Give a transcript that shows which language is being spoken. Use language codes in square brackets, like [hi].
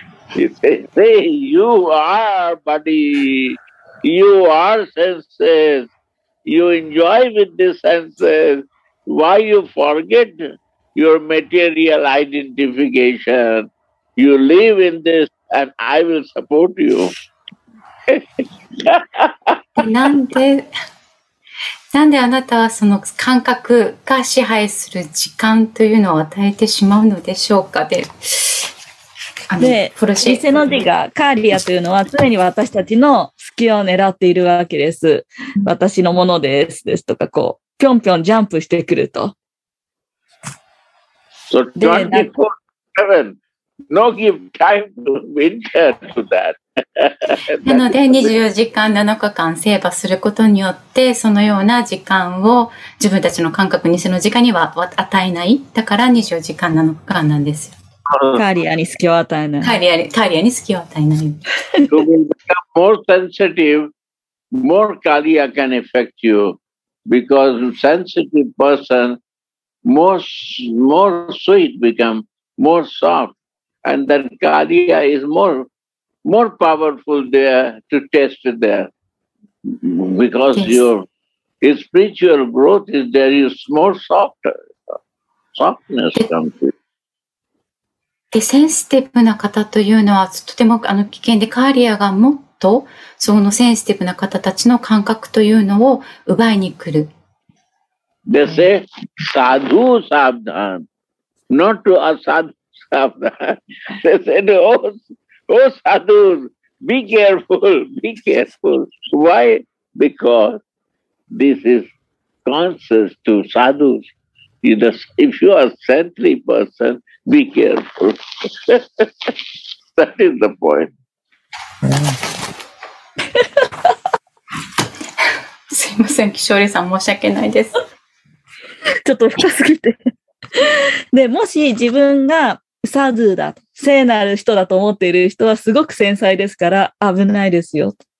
[en] He says, hey, you are, buddy. You are senses. You enjoy with the senses. Why you forget? Your material identification, you live in this and I will support you. [ja] なんであなたはその感覚が支配する時間というのを与えてしまうのでしょうか。で、リセノジがカーリアというのは常に私たちの隙を狙っているわけです。私のものですですとか、こう、ぴょんぴょんジャンプしてくると。 [en] So 24/7, no give time to winter to that. [ja] なので24時間7日間セーバすることによってそのような時間を自分たちの感覚にその時間には与えない。だから24時間7日間なんですよ。カーリアに隙を与えない。カーリアに隙を与えない。 [en] You will become more sensitive, more Kaliya can affect you because sensitive person. More sweet become more soft, and then Kaliya is more powerful there to test there because yes. Your spiritual growth is there, is more softness comes to you. [ja] で、センシティブな方というのはとても危険で、カーリアがもっとそのセンシティブな方たちの感覚というのを奪いに来る。 [en] They say, sadhu sabdhan, not to asadhu sabdhan. They said, oh sadhus, be careful. Why? Because this is conscious to sadhus. If you are a saintly person, be careful. That is the point. [ja] すいません、キショーリさん、申し訳ないです。ちょっと深すぎて。で、もし自分がサドゥだ、聖なる人だと思っている人はすごく繊細ですから危ないですよ。